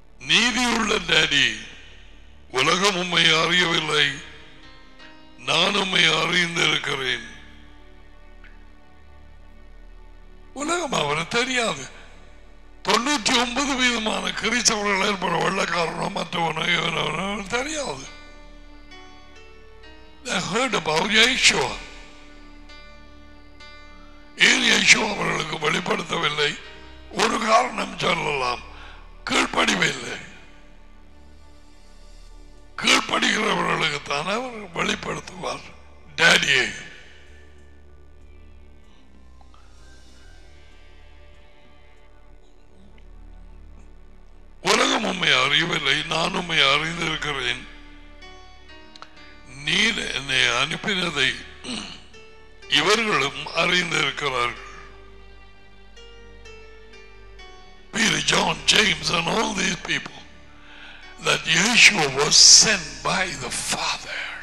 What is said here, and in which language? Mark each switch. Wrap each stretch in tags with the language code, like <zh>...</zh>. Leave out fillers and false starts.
<ta>நீதி உள்ள டாடி, உலகம் உண்மை அறியவில்லை, நான் உண்மை அறிந்திருக்கிறேன். உலகம் அவரை தெரியாது. 99% கிறிஸ்தவர்கள் ஏற்பட வெள்ளக்காரனோ மற்றவனோ தெரியாது.</ta> <en>They heard about Yeshua.</en> <ta>ஏன் யேசுவா அவர்களுக்கு வெளிப்படுத்தவில்லை? ஒரு காரணம் சொல்லலாம், கீழ்ப்படிவில்லை. கீழ்ப்படுகிறவர்களுக்கு தான் அவர் வெளிப்படுத்துவார் டாடியே. உலகம் உண்மை அறியவில்லை, நான் உண்மை அறிந்திருக்கிறேன். நீர் என்னை அனுப்பினதை இவர்களும் அறிந்திருக்கிறார்கள்.</ta> <en>Peter, John, James and all these people that Yeshua was sent by the Father.</en>